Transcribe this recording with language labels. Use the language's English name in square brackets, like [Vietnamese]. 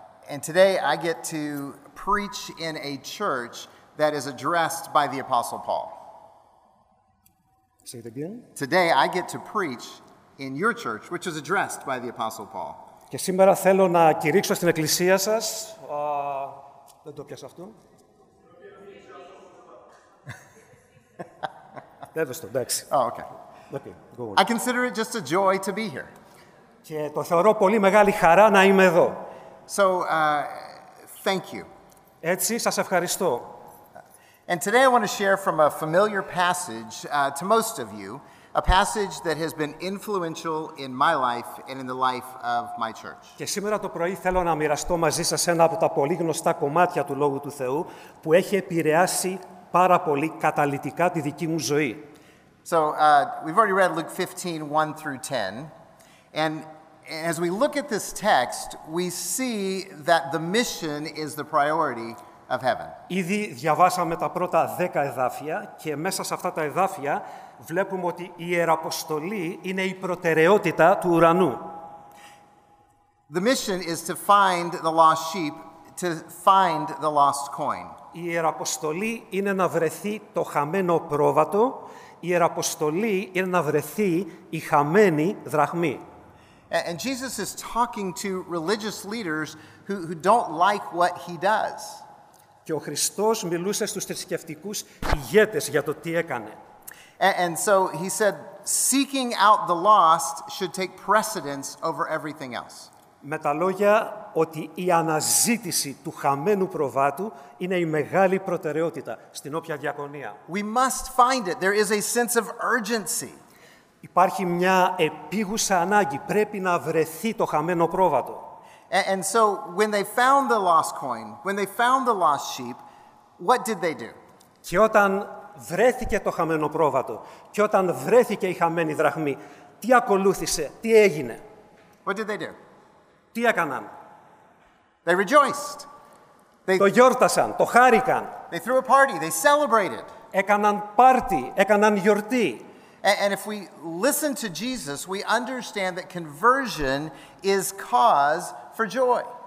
[English] And today I get to preach in a church that is addressed by the Apostle Paul. Say it again. Today I get to preach in your church, which is addressed by the Apostle Paul. [Greek] Και σήμερα θέλω να κηρύξω στην εκκλησία σας. Δεν το πιάσω αυτό. Δεύστο, εντάξει. [English] Oh, okay. Okay, go on. I consider it just a joy to be here. [Greek] Και το θεωρώ πολύ μεγάλη χαρά να είμαι εδώ. [English] So, thank you. [Greek] Έτσι, σας ευχαριστώ. [English] And today I want to share from a familiar passage to most of you, a passage that has been influential in my life and in the life of my church. [Greek] Και σήμερα το πρωί θέλω να μοιραστώ μαζί σας ένα από τα πολύ γνωστά κομμάτια του Λόγου του Θεού που έχει επηρεάσει πάρα πολύ καταλυτικά τη δική μου ζωή. [English] So, we've already read Luke 15, 1 through 10. And as we look at this text, we see that the mission is the priority. [Greek] Ήδη διαβάσαμε τα πρώτα 10 εδάφια και μέσα σε αυτά τα εδάφια βλέπουμε ότι η Ιεραποστολή είναι η προτεραιότητα του ουρανού. [English] The mission is to find the lost sheep, to find the lost coin. [Greek] Η Ιεραποστολή είναι να βρεθεί το χαμένο πρόβατο. Η Ιεραποστολή είναι να βρεθεί η χαμένη δραχμή. [English] And Jesus is talking to religious leaders who don't like what he does. [Greek] Και ο Χριστός μιλούσε στους θρησκευτικούς ηγέτες για το τι έκανε. [English] And so he said, seeking out the lost should take precedence over everything else. [Greek] Με τα λόγια ότι η αναζήτηση του χαμένου προβάτου είναι η μεγάλη προτεραιότητα στην όποια διακονία. [English] We must find it. There is a sense of urgency. [Greek] Υπάρχει μια επίγουσα ανάγκη. Πρέπει να βρεθεί το χαμένο πρόβατο. [English] And so when they found the lost coin, when they found the lost sheep, what did they do? [Greek] Και όταν βρέθηκε το χαμένο πρόβατο, και όταν βρέθηκε η χαμένη δραχμή, τι ακολούθησε, τι έγινε? [English] What did they do? [Greek] Τι έκαναν? [English] They rejoiced. [Greek] Το γιόρτασαν, το χάρηκαν. [English] They threw a party, they celebrated. [Greek] Έκαναν πάρτι, έκαναν γιορτή. [English] And if we listen to Jesus, we understand that conversion is cause for joy.